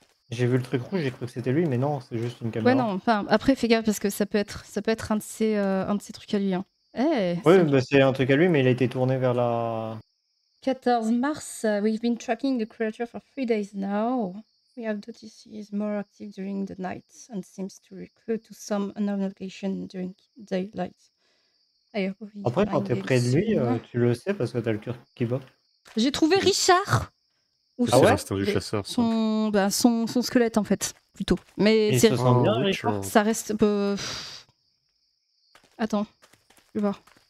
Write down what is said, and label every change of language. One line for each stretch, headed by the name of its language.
French: J'ai vu le truc rouge, j'ai cru que c'était lui, mais non, c'est juste une caméra. Ouais, non, enfin, après, fais gaffe, parce que ça peut être un de ces trucs à lui. Hein. Hey, oui, bah, c'est un truc à lui, mais il a été tourné vers la... 14 mars,
English: we've been tracking the creature for 3 days now. We have noticed he is more active during the night and seems to recruit to some unknown location during daylight.
French: Après, quand t'es près de lui, tu le sais parce que t'as le cœur qui bat. J'ai trouvé Richard. Ou c'est l'instinct du chasseur. Son squelette, en fait, plutôt. Mais il c'est se sent bien, Richard. Ça reste un peu. Attends, je vais voir.